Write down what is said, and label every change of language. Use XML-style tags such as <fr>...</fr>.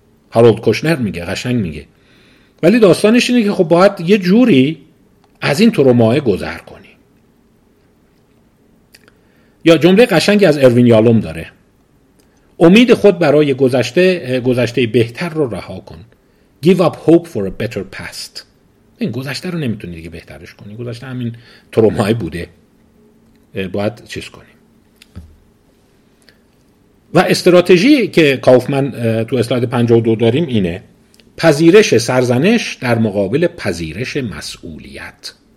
<fa>هارولد کوشنر میگه، قشنگ میگه. ولی داستانش اینه که خب باید یه جوری از این تو رو ماه گذر کنی. یا جمله قشنگی از اروین یالوم داره، امید خود برای گذشته بهتر رو رها کن.</fa> <en>Give up hope for a better past.</en> <fa>این گذشته رو نمیتونی دیگه بهترش کنی، گذشته همین ترومای بوده، باید چیز کنی. و استراتژی که کافمن تو اسلاید 52 داریم اینه، پذیرش سرزنش در مقابل پذیرش مسئولیت.</fa>